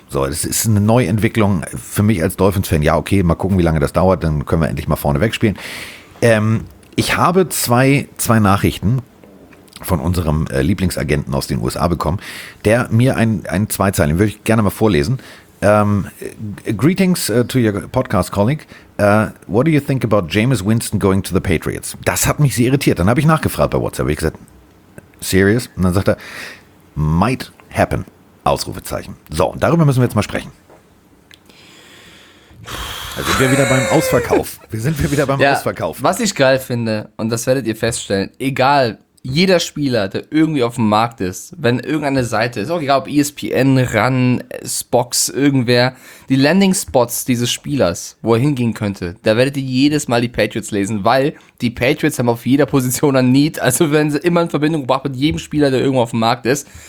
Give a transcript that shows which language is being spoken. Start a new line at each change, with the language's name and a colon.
German: So, das ist eine Neuentwicklung für mich als Dolphins-Fan. Ja, okay, mal gucken, wie lange das dauert, dann können wir endlich mal vorne wegspielen. Ich habe zwei Nachrichten von unserem Lieblingsagenten aus den USA bekommen, der mir ein Zweizeilen, würde ich gerne mal vorlesen.
English: Greetings to your podcast colleague. What do you think about Jameis Winston going to the Patriots?
German: Das hat mich sehr irritiert. Dann habe ich nachgefragt bei WhatsApp. Ich gesagt,
English: serious?
German: Und dann sagt er,
English: might happen.
German: Ausrufezeichen. So, und darüber müssen wir jetzt mal sprechen. Also sind wir wieder beim Ausverkauf. Ausverkauf. Was ich geil finde, und das werdet ihr feststellen, egal, jeder Spieler, der irgendwie auf dem Markt ist, wenn irgendeine Seite ist, auch egal ob ESPN, Run, Spox, irgendwer, die Landing-Spots dieses Spielers, wo er hingehen könnte, da werdet ihr jedes Mal die Patriots lesen, weil die Patriots haben auf jeder Position ein Need, also werden sie immer in Verbindung gebracht mit jedem Spieler, der irgendwo auf dem Markt ist.